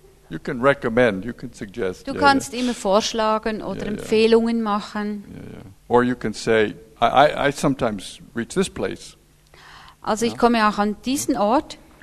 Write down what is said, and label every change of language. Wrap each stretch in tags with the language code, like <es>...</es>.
<en>You can recommend, you can suggest.</en> <de>Du kannst immer vorschlagen oder Empfehlungen machen.</de> <en>Yeah. Or you can say, I sometimes reach this place.</en> <de>Also ich komme auch an diesen Ort.</de>